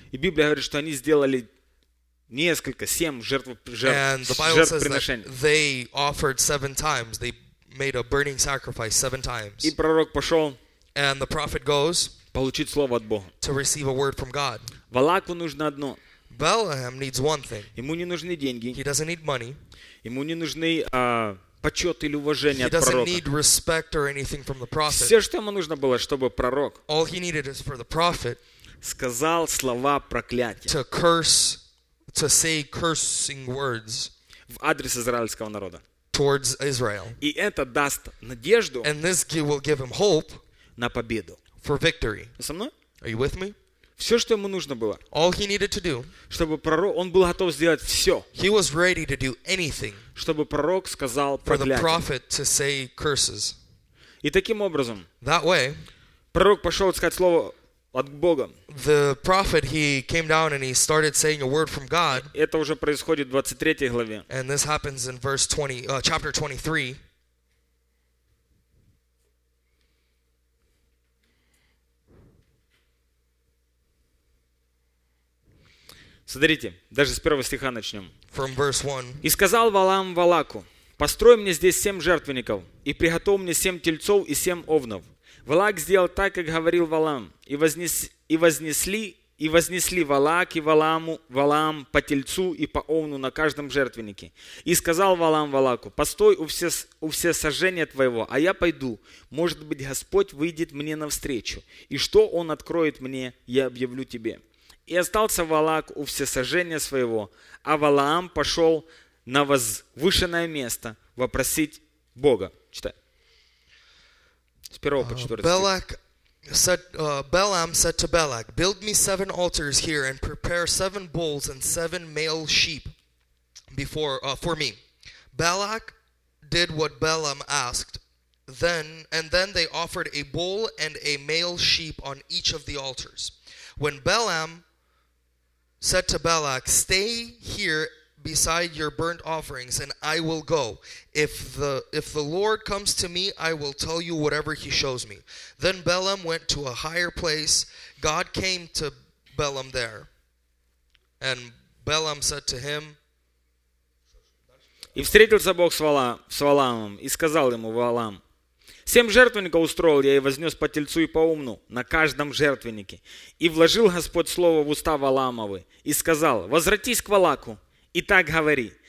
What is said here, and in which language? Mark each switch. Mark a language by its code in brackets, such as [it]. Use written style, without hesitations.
[ru] И Библия говорит, что они сделали несколько, семь жертвоприношений. [en] And the Bible says that they offered seven times. They made a burning sacrifice seven times. [ru] И пророк пошел. [en] And the prophet goes. [ru] Получить слово от Бога. [en] To receive a word from God. [ru] Валаку нужно одно. [en] Balaam needs one thing. [ru] Ему не нужны деньги. [en] He doesn't need money. [ru] Ему не нужны почет или уважение от пророка. [en] He doesn't need respect or anything from the prophet. [ru] Все, что ему нужно было, чтобы пророк [en] all he needed is for the prophet [ru] сказал слова проклятия [en] to say cursing words [ru] в адрес израильского народа. [en] Towards Israel. [ru] И это даст надежду [en] and this will give him hope [ru] на победу. [en] For victory. [ru] Со мной? [en] Are you with me? [ru] Все, что ему нужно было. [en] All he needed to do. [ru] Чтобы пророк, он был готов сделать все. [en] He was ready to do anything. [ru] Чтобы пророк сказал проклятие. [en] For the prophet to say curses. [ru] И таким образом. [en] That way. [ru] Пророк пошел искать слово от Бога. [en] The prophet, he came down and he started saying a word from God. [ru] Это уже происходит в 23 главе. [en] And this happens in verse 20, chapter 23. [ru] Смотрите, даже с первого стиха начнем. [en] From verse 1. [ru] «И сказал Валаам Валаку, построй мне здесь семь жертвенников, и приготовь мне семь тельцов и семь овнов. Валак сделал так, как говорил Валаам, и вознесли Валак и Валаам по тельцу и по овну на каждом жертвеннике. И сказал Валаам Валаку, постой у все сожжения твоего, а я пойду. Может быть, Господь выйдет мне навстречу, и что Он откроет мне, я объявлю тебе». И остался Валак у всесожжения своего, а Валаам пошел на возвышенное место вопросить Бога. Читай. С первого по четвертый. [en] Balaam said to Balak, build me seven altars here and prepare seven bulls and seven male sheep before for me. Balak did what Balaam asked. Then they offered a bull and a male sheep on each of the altars. When Balaam said to Balak, stay here beside your burnt offerings, and I will go. If the Lord comes to me, I will tell you whatever he shows me. Then Balaam went to a higher place. God came to Balaam there. And Balaam said to him, [ru] и встретился Бог с Валаамом, и сказал ему Валаам, семь жертвенников устроил я и вознес по тельцу и по умну на каждом жертвеннике. И вложил Господь слово в уста Валаамовы и сказал, возвратись к Валаку и так говори.